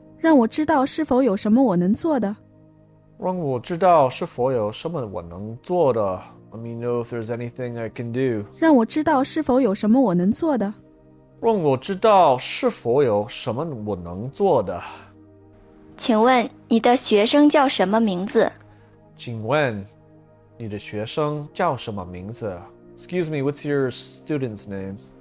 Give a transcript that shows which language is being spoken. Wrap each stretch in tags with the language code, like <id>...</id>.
<zh>让我知道是否有什么我能做的。让我知道是否有什么我能做的。</zh> <en>Let me know if there's anything I can do.</en> <zh>让我知道是否有什么我能做的。让我知道是否有什么我能做的。请问你的学生叫什么名字？请问你的学生叫什么名字？</zh> <en>Excuse me, what's your student's name?</en>